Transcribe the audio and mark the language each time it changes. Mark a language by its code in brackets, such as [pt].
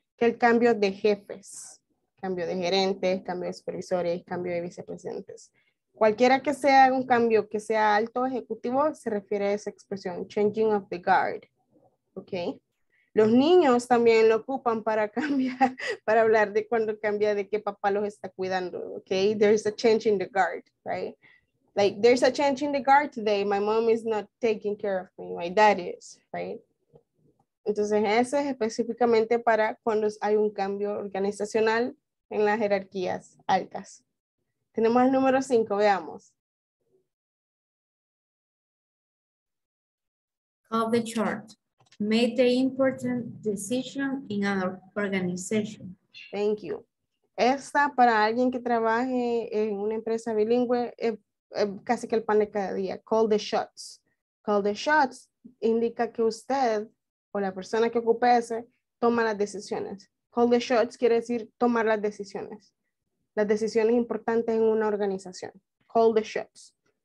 [es] Que el cambio de jefes. Cambio de gerentes, cambio de supervisores, cambio de vicepresidentes. Cualquiera que sea un cambio que sea alto ejecutivo, se refiere a esa expresión. Changing of the guard. Okay. Los niños también lo ocupan para cambiar, para hablar de cuando cambia, de qué papá los está cuidando. [en] Okay. There's a change in the guard, right? Like, there's a change in the guard today. My mom is not taking care of me. My dad is, right? [es] Entonces, eso es específicamente para cuando hay un cambio organizacional en las jerarquías altas. Tenemos el número 5, veamos. [en] Of the chart. Made the important decision in an organization. Thank you. [es] Esta para alguien que trabaje en una empresa bilingüe, casi que el pan de cada día. Call the shots. Call the shots indica que usted o la persona que ocupe ese toma las decisiones. Call the shots quiere decir tomar las decisiones. Las decisiones importantes en una organización. Call the shots.